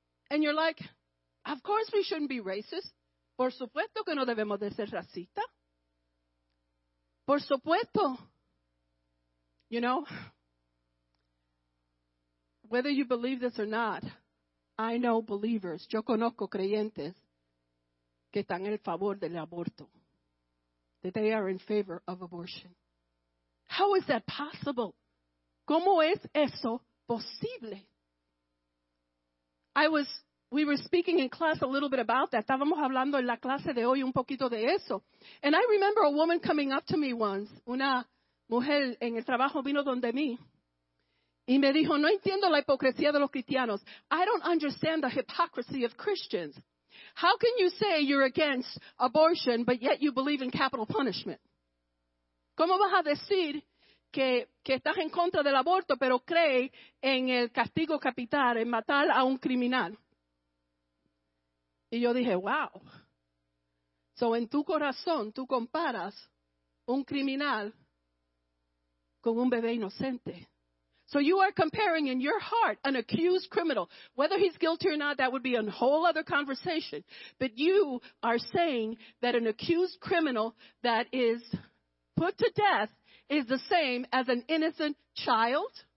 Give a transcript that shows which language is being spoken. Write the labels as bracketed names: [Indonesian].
[English] And you're like, of course we shouldn't be racist. [Spanish] Por supuesto que no debemos de ser racista. Por supuesto. [English] You know, whether you believe this or not, I know believers, [Spanish] yo conozco creyentes que están en favor del aborto. [English] That they are in favor of abortion. How is that possible? [Spanish] ¿Cómo es eso posible? [English] We were speaking in class a little bit about that. [Spanish] Estábamos hablando en la clase de hoy un poquito de eso. [English] And I remember a woman coming up to me once. [Spanish] Una mujer en el trabajo vino donde mí. Y me dijo, no entiendo la hipocresía de los cristianos. [English] I don't understand the hypocrisy of Christians. How can you say you're against abortion, but yet you believe in capital punishment? [Spanish] ¿Cómo vas a decir que estás en contra del aborto, pero cree en el castigo capital, en matar a un criminal? Y yo dije, wow. So en tu corazón, tú comparas un criminal con un bebé inocente. [English] So you are comparing in your heart an accused criminal. Whether he's guilty or not, that would be a whole other conversation. But you are saying that an accused criminal that is put to death is the same as an innocent child.